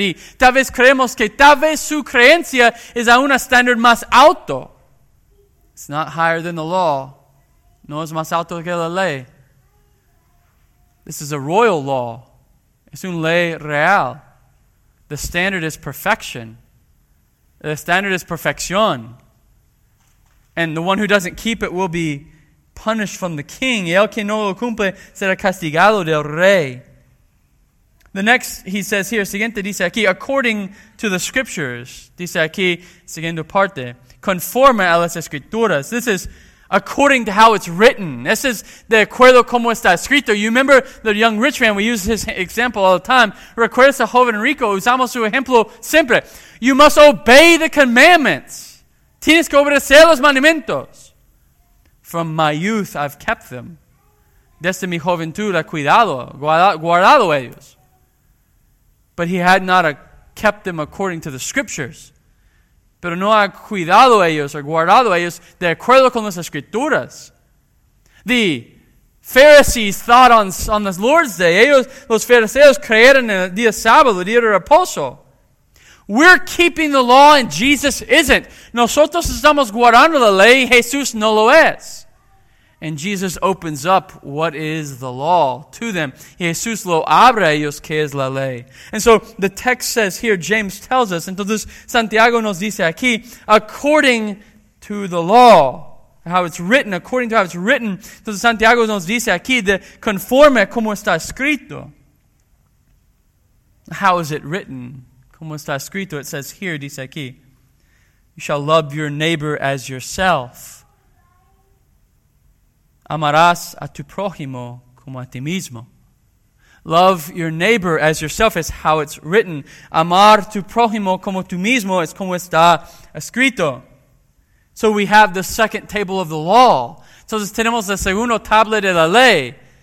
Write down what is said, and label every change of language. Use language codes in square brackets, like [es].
[es] Y tal vez creemos que tal vez su creencia es a un standard más alto. [en] It's not higher than the law. [es] No es más alto que la ley. [en] This is a royal law. [es] Es un ley real. [en] The standard is perfection. The standard is perfección. And the one who doesn't keep it will be punished from the king. [es] Y el que no lo cumple será castigado del rey. [en] The next he says here, [es] siguiente dice aquí, [en] according to the scriptures, [es] dice aquí, siguiendo parte, conforme a las escrituras. [en] This is according to how it's written. This is [es] de acuerdo como está escrito. [en] You remember the young rich man, we use his example all the time. [es] Recuerdas a joven rico, usamos su ejemplo siempre. [en] You must obey the commandments. [es] Tienes que obedecer los mandamientos. [en] From my youth I've kept them. [es] Desde mi juventud he cuidado, guardado ellos. [en] But he had not kept them according to the scriptures. [es] Pero no ha cuidado ellos o guardado ellos de acuerdo con las escrituras. [en] The Pharisees thought on the Lord's Day. [es] Ellos, los fariseos, creyeron en el día sábado, el día de reposo. [en] We're keeping the law and Jesus isn't. [es] Nosotros estamos guardando la ley y Jesús no lo es. [en] And Jesus opens up what is the law to them. [es] Jesús lo abre a ellos que es la ley. [en] And so the text says here, James tells us, [es] entonces Santiago nos dice aquí, [en] according to the law, how it's written, according to how it's written, [es] entonces Santiago nos dice aquí, de conforme como está escrito. [en] How is it written? [es] Como está escrito? [en] It says here, [es] dice aquí, [en] you shall love your neighbor as yourself. [es] Amarás a tu prójimo como a ti mismo. [en] Love your neighbor as yourself is how it's written. [es] Amar tu prójimo como tú mismo es como está escrito. [en] So we have the second table of the law. [es] Entonces tenemos la segunda tabla de la ley.